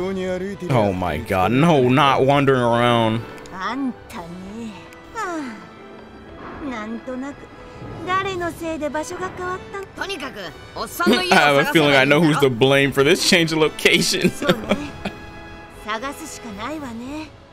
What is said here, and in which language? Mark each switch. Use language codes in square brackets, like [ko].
[ja] どこって市長邸なら一番ドックの奥に。あれ？そう言われてみると、さっき中を見て回ったけど、きっとこの世界の市長邸は別の場所にあるんだ。適当に歩いてる。 [en] Oh my god, no, not wandering around. [ja] あんたね。なんとなく。誰のせいで場所が変わったの？とにかく、おっさんの家を探せばいいんだろ？ [en] I have a feeling I know who's to blame for this change of location. [ja] そうね。探すしかないわね。